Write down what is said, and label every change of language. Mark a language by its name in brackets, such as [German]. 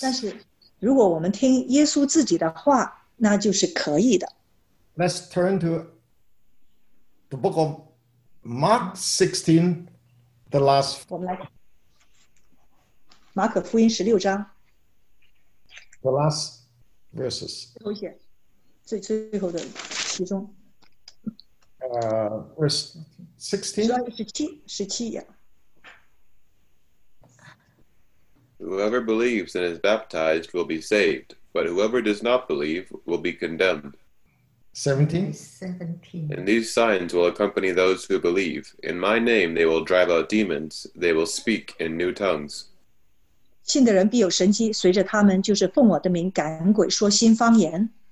[Chinese] 但是如果我们听耶稣自己的话, 那就是可以的。 [English] Let's turn to the book of Mark 16, the last. [Chinese] 我们来。马可福音16章。 [English] The last verses. [Chinese] 最后的其中。 [English] Verse 16. 17, yeah. Whoever believes and is baptized will be saved, but whoever does not believe will be condemned. 17. And these signs will accompany those who believe. In my name they will drive out demons, they will speak in new tongues. [Chinese] 信的人必有神迹, 随着他们就是奉我的名赶鬼, 说新方言。